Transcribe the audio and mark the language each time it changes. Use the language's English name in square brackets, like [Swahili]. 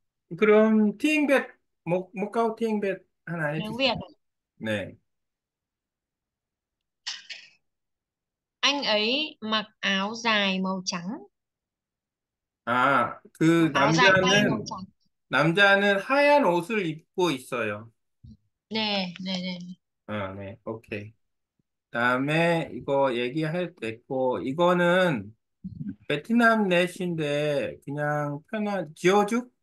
[Korean] 그럼 팅뱃 모카오 팅뱃 하나 [Vietnamese] Tiếng [Korean] 해주세요. [Vietnamese] Việt. Né. Anh ấy mặc áo dài màu trắng. À, Mặc 그 áo dài tay màu trắng. [Korean] 남자는 하얀 옷을 입고 있어요. 네. 아, 네, 오케이. 다음에 이거 얘기할 때 있고, 이거는 베트남 넷인데, 그냥 편한, 지어죽?